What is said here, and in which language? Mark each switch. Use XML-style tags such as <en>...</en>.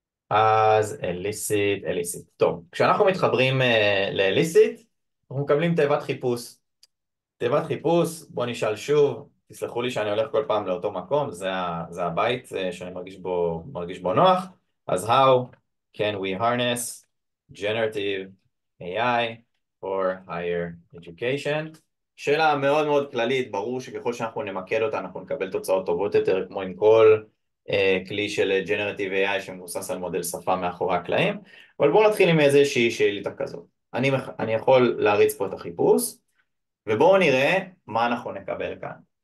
<he>אז אליסית, אליסית. טוב, כשאנחנו מתחברים לאליסית, אנחנו מקבלים תיבת חיפוש. תיבת חיפוש, בואו נשאל שוב, תסלחו לי שאני הולך כל פעם לאותו מקום, זה, זה הבית שאני מרגיש בו, מרגיש בו נוח.</he> <en>אז how can we harness generative AI for higher education?</en> <he>שאלה מאוד מאוד כללית, ברור שככל שאנחנו נמקד אותה, אנחנו נקבל תוצאות טובות יותר, כמו עם כל כלי של Generative AI שמבוסס על מודל שפה מאחורי הקלעים, אבל בואו נתחיל עם איזושהי שאלה כזאת. אני יכול להריץ פה את החיפוש, ובואו נראה מה אנחנו נקבל כאן.</he>